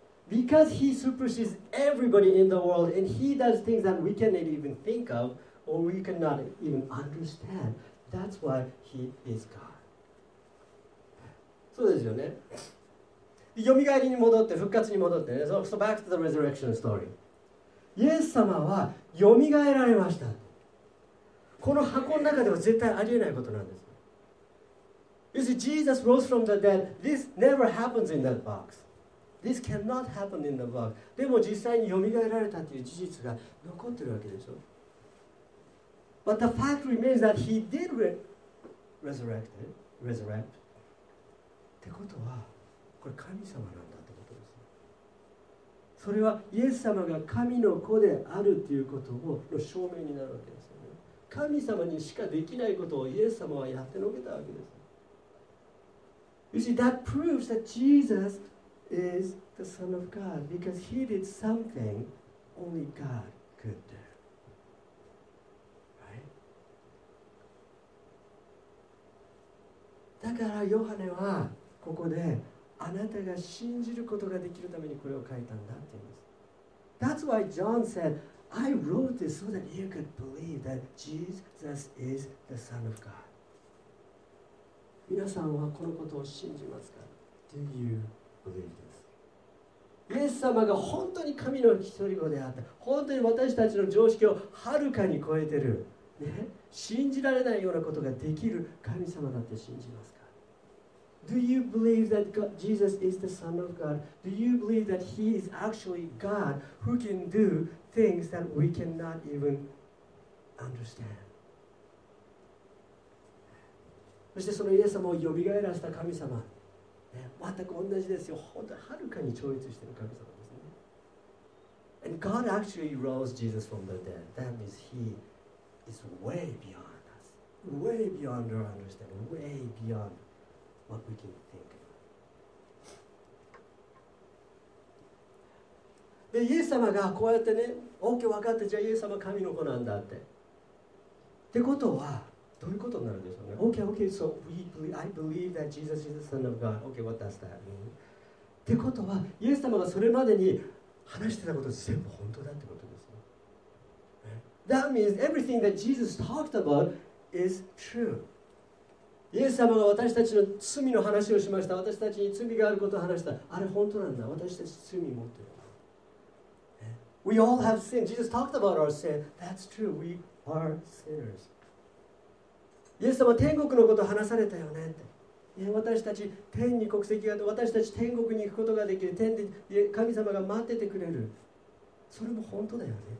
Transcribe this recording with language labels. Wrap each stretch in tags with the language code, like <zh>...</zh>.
<en>Because he supersedes everybody in the world and he does things that we cannot even think of or we cannot even understand. That's why he is God.</en> <ja>そうですよね。よみがえりに戻って、復活に戻ってね。</ja> <en>So back to the resurrection story.</en> <ja>イエス様はよみがえられました。この箱の中では絶対ありえないことなんです。</ja> <en>You see, Jesus rose from the dead. This never happens in that box. This cannot happen in the book.</en> <ja>でも実際によみがえられたという事実が残ってるわけでしょ。</ja> <en>But the fact remains that he did resurrect.</en> <ja>ってことは、これ神様なんだってことです。それはイエス様が神の子であるということの証明になるわけですよね。神様にしかできないことをイエス様はやってのけたわけです。</ja> <en>You see, that proves that JesusIs the Son of God because He did something only God could do. Right?</en> <ja>だからヨハネはここであなたが信じることができるためにこれを書いたんだって言うんです。</ja> <en>That's why John said, I wrote this so that you could believe that Jesus is the Son of God.</en> <ja>皆さんはこのことを信じますか?</ja> <en>Do you believe this?</en> <ja>イエス様が本当に神の一人子であった、本当に私たちの常識をはるかに超えてる、ね、信じられないようなことができる神様だって信じますか。</ja> <en>Do you believe that God, Jesus is the Son of God? Do you believe that He is actually God who can do things that we cannot even understand?</en> <ja>そしてそのイエス様をよみがえらせた神様、全く同じですよ。本当はるかに超越している神様ですね。</ja> <en>And God actually rose Jesus from the dead. That means He is way beyond us. Way beyond our understanding. Way beyond what we can think of.</en> <ja>で、イエス様がこうやってね、OK 分かった、じゃあイエス様神の子なんだって。ってことは、どういうことになるんでしょうね。</ja> <en>Okay, okay, so I believe that Jesus is the Son of God. Okay, what does that mean?</en> <ja>ってことは、イエス様がそれまでに話してたこと全部本当だってことですね。</ja> <en>That means everything that Jesus talked about is true.</en> <ja>イエス様が私たちの罪の話をしました。私たちに罪があることを話した。あれ本当なんだ。私たち罪持ってる。</ja> <en>We all have sin. Jesus talked about our sin. That's true. We are sinners.</en> <ja>イエス様、天国のこと話されたよねって。いや、私たち天に国籍があって、私たち天国に行くことができる、天で神様が待っててくれる、それも本当だよね。</ja>